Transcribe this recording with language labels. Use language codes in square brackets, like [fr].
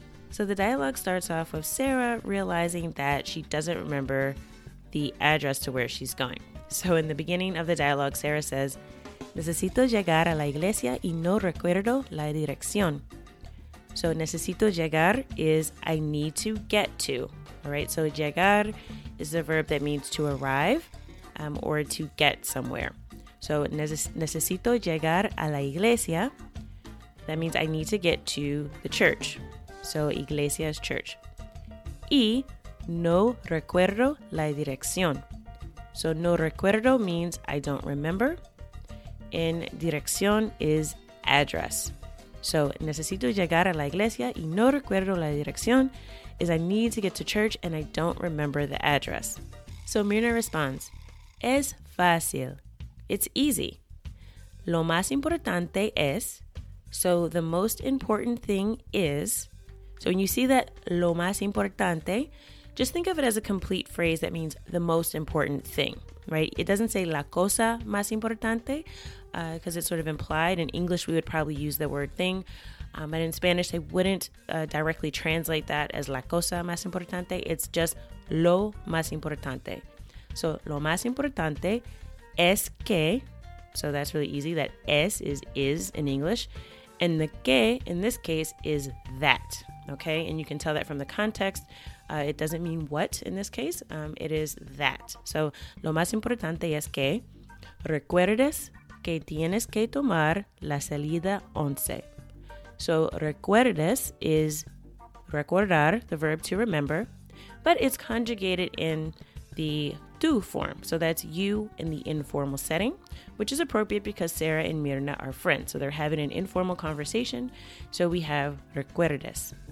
[en] So the dialogue starts off with Sarah realizing that she doesn't remember the address to where she's going. So in the beginning of the dialogue, Sarah says, Necesito llegar a la iglesia y no recuerdo la dirección. So necesito llegar is I need to get to. All right, so llegar is the verb that means to arrive or to get somewhere. [es] So necesito llegar a la iglesia. [en] That means I need to get to the church. So iglesia is church. [es] Y no recuerdo la dirección. [en] So no recuerdo means I don't remember. And dirección is address. So necesito llegar a la iglesia y no recuerdo la dirección is I need to get to church and I don't remember the address. So Mirna responds, es fácil. It's easy. Lo más importante es. So the most important thing is. So when you see that lo más importante, just think of it as a complete phrase that means the most important thing, right? It doesn't say la cosa más importante because it's sort of implied. In English, we would probably use the word thing. But in Spanish, they wouldn't directly translate that as la cosa más importante. [es] It's just lo más importante. [en] So lo más importante es que, so that's really easy, that es is in English, and the que in this case is that, okay? And you can tell that from the context. It doesn't mean what in this case, it is that. [es] So lo más importante es que recuerdes que tienes que tomar la salida 11. [en] So recuerdes is recordar, the verb to remember, but it's conjugated in the tú form. So that's you in the informal setting, which is appropriate because Sarah and Mirna are friends. So they're having an informal conversation. So we have recuerdes.